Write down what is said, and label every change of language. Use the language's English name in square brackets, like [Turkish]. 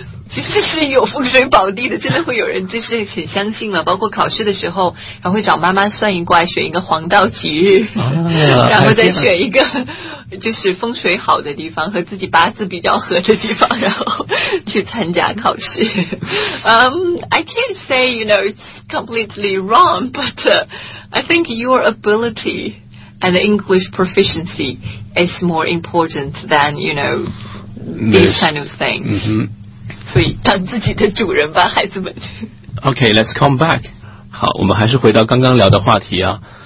[Chinese] 其实是有风水宝地的，真的会有人就是很相信了。包括考试的时候，然后会找妈妈算一卦，选一个黄道吉日，然后再选一个就是风水好的地方和自己八字比较合的地方，然后去参加考试。 [English] I can't say, you know, it's completely wrong, but I think your ability and English proficiency is more important than, you know, these kind of things. Mm-hmm. [Chinese] 所以当自己的主人吧，孩子们。 [English] Okay, let's come back. [Chinese] 好，我们还是回到刚刚聊的话题啊。